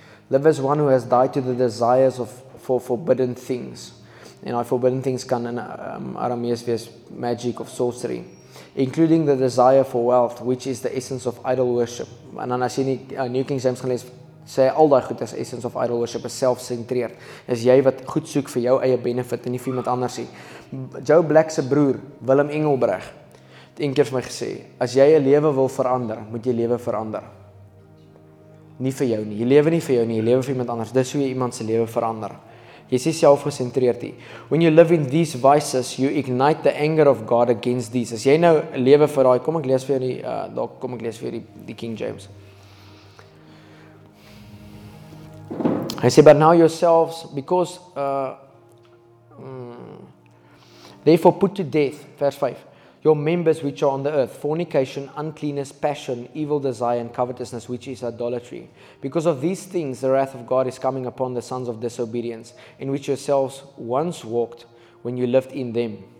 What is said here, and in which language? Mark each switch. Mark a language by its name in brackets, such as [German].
[English] Live as one who has died to the desires for forbidden things. And our forbidden things can in Aramaic be magic of sorcery, including the desire for wealth, which is the essence of idol worship. And then as you New King James [Afrikaans] gelees, sê al daai goed is [English] essence of idol worship, [Afrikaans] is self-centreerd. Is jy wat goed soek vir jou eie benefit en nie vir iemand anders nie. Joe Black se broer, Willem Engelbreg, een keer vir my gesê, as jy 'n lewe wil verander, moet jy lewe verander. Nie vir jou nie. Jy lewe nie vir jou nie, jy lewe vir iemand anders. Dis hoe jy iemand se lewe verander. Jy is self-gesentreerd nie. [English] When you live in these vices, you ignite the anger of God against these. [Afrikaans] As jy nou lewe vir daai, kom ek lees vir die die King James. Hy sê, [English] but now yourselves, because therefore put to death, verse 5, your members which are on the earth, fornication, uncleanness, passion, evil desire, and covetousness, which is idolatry. Because of these things, the wrath of God is coming upon the sons of disobedience, in which yourselves once walked when you lived in them.